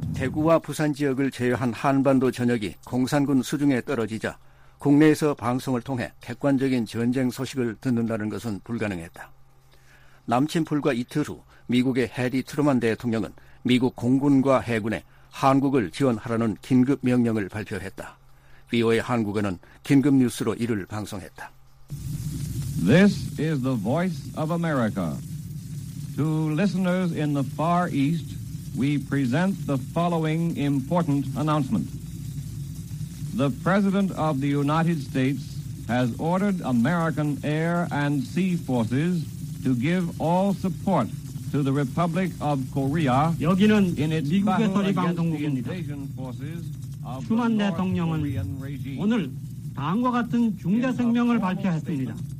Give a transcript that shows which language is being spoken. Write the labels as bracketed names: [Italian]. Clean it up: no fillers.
[Korean] 대구와 부산 지역을 제외한 한반도 전역이 공산군 수중에 떨어지자 국내에서 방송을 통해 객관적인 전쟁 소식을 듣는다는 것은 불가능했다. 남침 불과 이틀 후 미국의 해리 트루먼 대통령은 미국 공군과 해군에 한국을 지원하라는 긴급 명령을 발표했다. VOA 한국어는 긴급 뉴스로 이를 방송했다. [English] This is the voice of America. To listeners in the far east, we present the following important announcement. The President of the United States has ordered American air and sea forces to give all support to the Republic of Korea. [Korean] 여기는 미국의 소리 방송국입니다. 트루먼 대통령은 오늘 다음과 같은 중대 성명을 발표했습니다.